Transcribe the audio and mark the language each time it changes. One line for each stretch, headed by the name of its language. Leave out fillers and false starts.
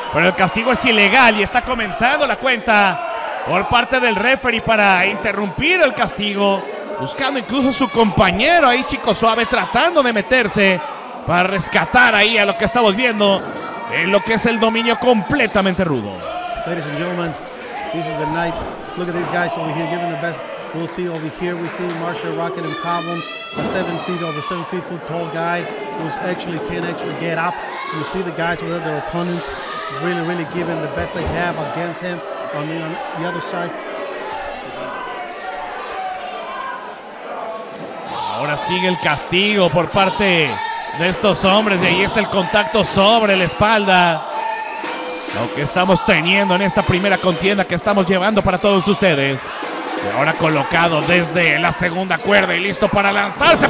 Spanish: Pero el castigo es ilegal y está comenzando la cuenta por parte del referee para interrumpir el castigo. Buscando incluso a su compañero ahí, Chico Suave, tratando de meterse para rescatar ahí a lo que estamos viendo en lo que es el dominio completamente rudo.
English: Ladies and gentlemen, this is the night. Look at these guys over here giving the best. We'll see over here, we see Marshall Rocket in problems. A 7 feet, over 7 feet foot tall guy who's actually can't actually get up. You see the guys with their opponents really, really giving the best they have against him on the other side.
Spanish: Ahora sigue el castigo por parte de estos hombres. Y ahí está el contacto sobre la espalda. Lo que estamos teniendo en esta primera contienda que estamos llevando para todos ustedes. Y ahora colocado desde la segunda cuerda y listo para lanzarse.